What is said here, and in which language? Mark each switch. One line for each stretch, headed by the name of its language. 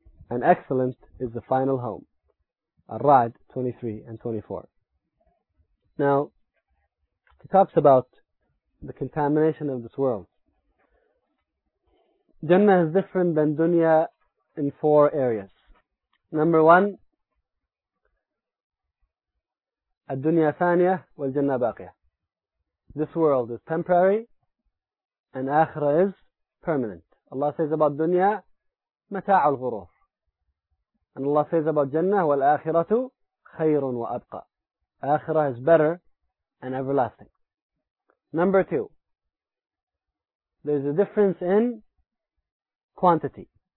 English: And excellent is the final home. Ar-Ra'd 23 and 24. Now, he talks about the contamination of this world. Jannah is different than dunya in four areas. Number one,
Arabic: الدنيا ثانية والجنة باقية.
English: This world is temporary and akhira is permanent. Allah says about dunya,
Arabic: مَتَاعُ الْغُرُورِ.
English: And Allah says about Jannah,
Arabic: وَالْآخِرَةُ خَيْرٌ وَأَبْقَى.
English: Akhira is better and everlasting. Number two, there's a difference in quantity.